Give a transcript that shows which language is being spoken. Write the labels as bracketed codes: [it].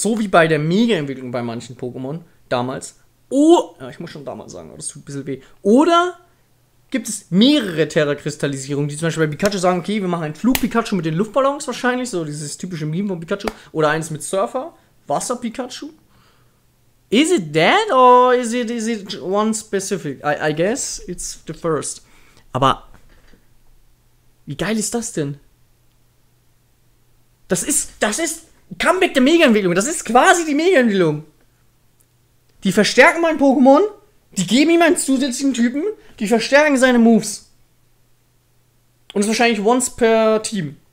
[de] So wie bei der Mega-Entwicklung bei manchen Pokémon damals. Ich muss schon damals sagen, das tut ein bisschen weh. Oder gibt es mehrere Terra-Kristallisierungen, die zum Beispiel bei Pikachu sagen, okay, wir machen einen Flug-Pikachu mit den Luftballons wahrscheinlich, so dieses typische Meme von Pikachu. Oder eins mit Surfer, Wasser-Pikachu. [en] Is it that or is it one specific? I guess it's the first. [de] Aber wie geil ist das denn? Das ist Comeback der Mega-Entwicklung. Das ist quasi die Mega-Entwicklung. Die verstärken mein Pokémon. Die geben ihm einen zusätzlichen Typen. Die verstärken seine Moves. Und es ist wahrscheinlich [en] once per Team.